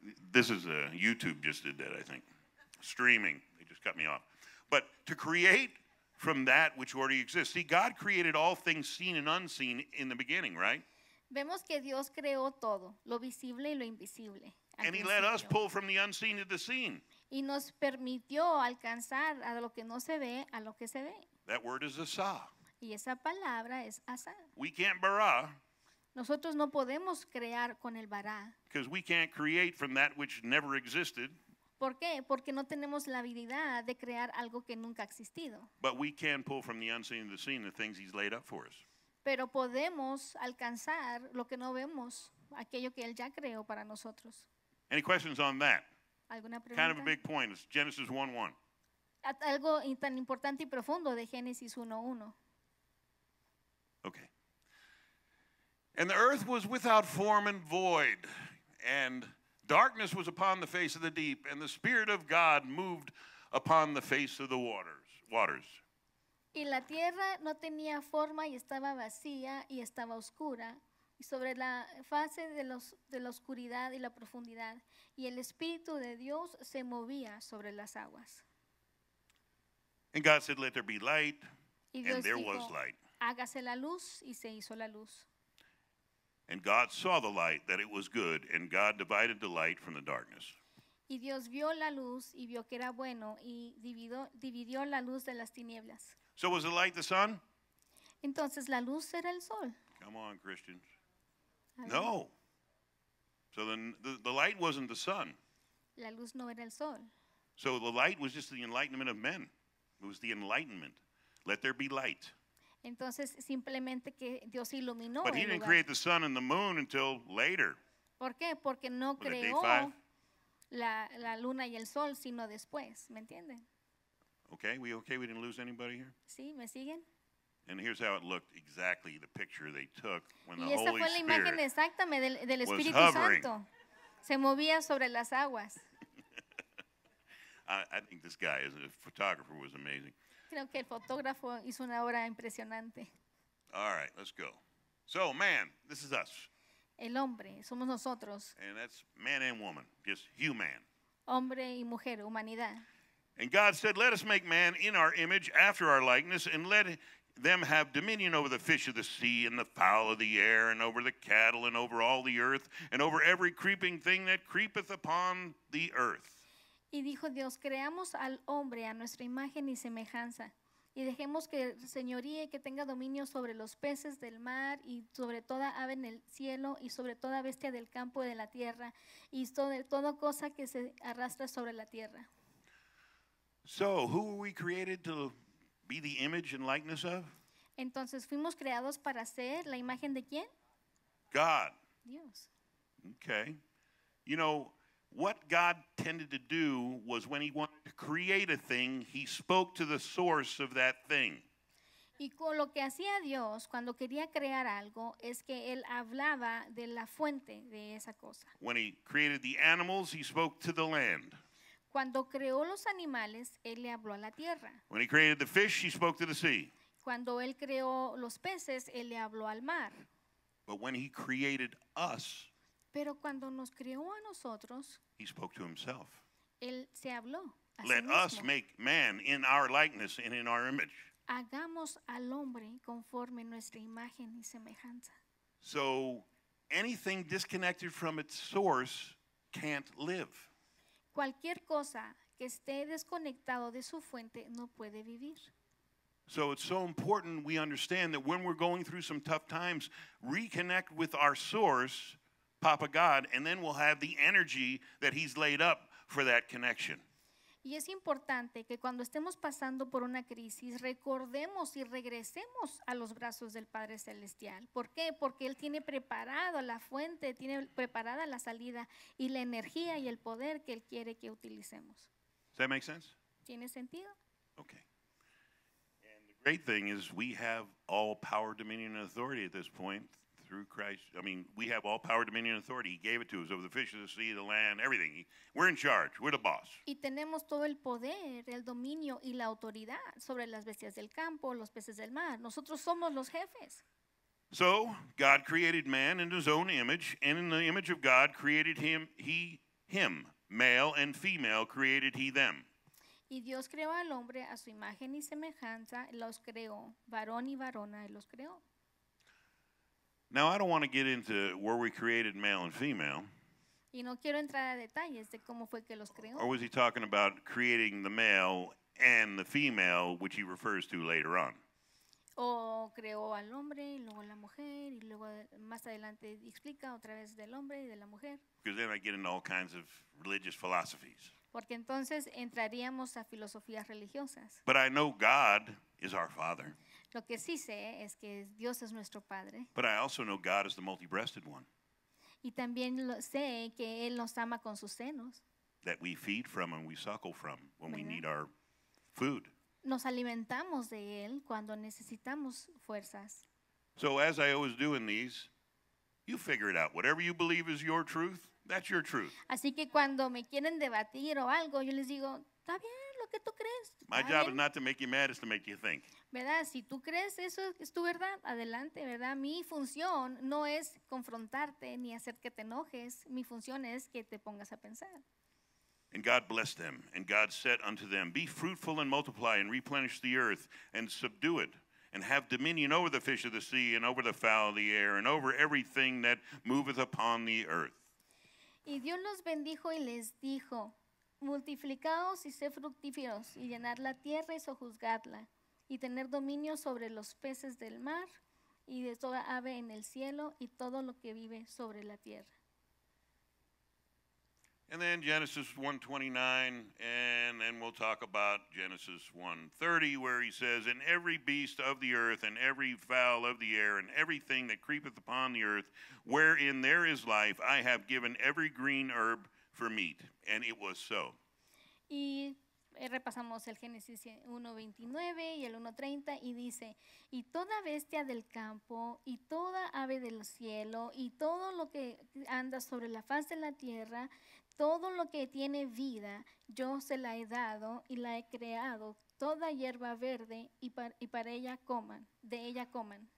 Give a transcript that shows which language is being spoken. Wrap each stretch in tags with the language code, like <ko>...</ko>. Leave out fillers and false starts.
<en>This is YouTube just did that, I think. Streaming. They just cut me off. But to create from that which already exists. See, God created all things seen and unseen in the beginning, right?</en> <es>Vemos que Dios creó todo, lo visible y lo invisible.</es> <en>And he let us pull from the unseen to the seen.</en> <es>Y nos permitió alcanzar a lo que no se ve, a lo que se ve.</es> <en>That word is asa.</en> <es>Y esa palabra es asa.</es> <en>We can't bara.</en> <es>Nosotros no podemos crear con el bara.</es> <en>Because we can't create from that which never existed.</en> <es>¿Por qué? Porque no tenemos la habilidad de crear algo que nunca ha existido.</es> <en>But we can pull from the unseen to the seen the things he's laid up for us.</en> <es>Pero podemos alcanzar lo que no vemos, aquello que él ya creó para nosotros.</es> <en>Any questions on that?</en> <es>¿Alguna pregunta?</es> <en>Kind of a big point. It's Genesis 1:1.</en> <es>Algo tan importante y profundo de Génesis 1:1.</es> <en>Okay. And the earth was without form and void, and darkness was upon the face of the deep, and the Spirit of God moved upon the face of the waters.</en> <es>Y la tierra no tenía forma y estaba vacía y estaba oscura, y sobre la face de la oscuridad y la profundidad, y el Espíritu de Dios se movía sobre las aguas.</es> <en>And God said, let there be light,</en> <es>y</es> <en>and</en> <es>Dios</es> <en>there</en> <es>dijo,</es> <en>was light.</en> <es>Hágase la luz, y se hizo la luz.</es> <en>And God saw the light, that it was good, and God divided the light from the darkness.</en> <es>Y Dios vio la luz y vio que era bueno y dividió la luz de las tinieblas.</es> <en>So was the light the sun?</en> <es>Entonces la luz era el sol.</es> <en>Come on, Christians. No. So then the light wasn't the sun.</en> <es>La luz no era el sol.</es> <en>So the light was just the enlightenment of men. It was the enlightenment. Let there be light.</en> <es>Entonces simplemente que Dios iluminó.</es> <en>But he didn't create the sun and the moon until later.</en> <es>¿Por qué? Porque no creó la luna y el sol sino después, ¿me entienden?</es> <en>Okay, we okay? We didn't lose anybody here?</en> <es>Sí, ¿me siguen?</es> <en>And here's how it looked exactly, the picture they took when</en> <es>y esa fue la imagen exacta del Espíritu Santo. Se movía sobre las aguas.</es> <en>I think this guy, as a photographer, was amazing.</en> <es>Creo que el fotógrafo hizo una obra impresionante.</es> <en>All right, let's go. So, man, this is us.</en> <es>El hombre, somos nosotros.</es> <en>And that's man and woman, just human.</en> <es>Hombre y mujer, humanidad.</es> <en>And God said, let us make man in our image, after our likeness, and let them have dominion over the fish of the sea and the fowl of the air and over the cattle and over all the earth and over every creeping thing that creepeth upon the earth.</en> <es>Y dijo Dios, creamos al hombre a nuestra imagen y semejanza y dejemos que señoríe y que tenga dominio sobre los peces del mar y sobre toda ave en el cielo y sobre toda bestia del campo y de la tierra y sobre toda cosa que se arrastra sobre la tierra.</es> <en>So, who were we created to be the image and likeness of?</en> <es>Entonces, ¿fuimos creados para ser la imagen de quién?</es> <en>God.</en> <es>Dios.</es> <en>Okay. You know, what God tended to do was when he wanted to create a thing, he spoke to the source of that thing.</en> <es>Y con lo que hacía Dios cuando quería crear algo es que él hablaba de la fuente de esa cosa.</es> <en>When he created the animals, he spoke to the land.</en> <es>Cuando creó los animales, él le habló a la tierra.</es> <en>When he created the fish, he spoke to the sea.</en> <es>Cuando él creó los peces, él le habló al mar.</es> <en>But when he created us,</en> <es>pero cuando nos creó a nosotros,</es> <en>he spoke to himself.</en> <es>Él se habló a</es> <en>let</en> <es>sí mismo.</es> <en>Us make man in our likeness and in our image.</en> <es>Hagamos al hombre conforme nuestra imagen y semejanza.</es> <en>So anything disconnected from its source can't live.</en> <es>Cualquier cosa que esté desconectado de su fuente no puede vivir.</es> <en>So it's so important we understand that when we're going through some tough times, reconnect with our source, Papa God, and then we'll have the energy that he's laid up for that connection.</en> <es>Y es importante que cuando estemos pasando por una crisis, recordemos y regresemos a los brazos del Padre Celestial. ¿Por qué? Porque él tiene preparado la fuente, tiene preparada la salida y la energía y el poder que él quiere que utilicemos.</es> <en>Does that make sense?</en> <es>¿Tiene sentido?</es> <en>Okay. And the great thing is we have all power, dominion, and authority at this point through Christ. I mean, we have all power, dominion, and authority. He gave it to us over the fish of the sea, the land, everything. We're in charge. We're the boss.</en> <es>Y tenemos todo el poder, el dominio y la autoridad sobre las bestias del campo, los peces del mar. Nosotros somos los jefes.</es> <en>So, God created man in his own image, and in the image of God created him, him, male and female created he them.</en> <es>Y Dios creó al hombre a su imagen y semejanza, los creó, varón y varona, los creó.</es> <en>Now, I don't want to get into where we created male and female.</en> <es>Y no quiero entrar a detalles de cómo fue que los creó.</es> <en>Or was he talking about creating the male and the female, which he refers to later on?</en> <es>O creó al hombre y luego la mujer, y luego más adelante explica otra vez del hombre y de la mujer.</es> <en>Because then I get into all kinds of religious philosophies.</en> <es>Porque entonces entraríamos a filosofías religiosas.</es> <en>But I know God is our Father.</en> <es>Lo que sí sé es que Dios es nuestro Padre.</es> <en>But I also know God is the multi-breasted one.</en> <es>Y también sé que Él nos ama con sus senos.</es> <en>That we feed from and we suckle from when we need our food.</en> <es>Nos alimentamos de Él cuando necesitamos fuerzas.</es> <en>So as I always do in these, you figure it out. Whatever you believe is your truth, that's your truth.</en> <es>Así que cuando me quieren debatir o algo, yo les digo, está bien lo que tú crees.</es> <en>My job is not to make you mad, it's to make you think.</en> <es>¿Verdad? Si tú crees eso es tu verdad, adelante, ¿verdad? Mi función no es confrontarte ni hacer que te enojes. Mi función es que te pongas a pensar.</es> <en>And God blessed them, and God said unto them, be fruitful and multiply and replenish the earth and subdue it and have dominion over the fish of the sea and over the fowl of the air and over everything that moveth upon the earth.</en> <es>Y Dios los bendijo y les dijo, multiplicaos y sed fructíferos y llenad la tierra y sojuzgadla y tener dominio sobre los peces del mar y de toda ave en el cielo y todo lo que vive sobre la tierra.</es> <en>And then Genesis 1:29, and then we'll talk about Genesis 1:30, where he says, and every beast of the earth, and every fowl of the air, and everything that creepeth upon the earth, wherein there is life, I have given every green herb for meat. And it was so.</en> <es>Y repasamos el Génesis 1:29 y el 1:30, y dice, y toda bestia del campo, y toda ave del cielo, y todo lo que anda sobre la faz de la tierra, todo lo que tiene vida, yo se la he dado y la he creado, toda hierba verde y para ella coman, de ella coman.</es>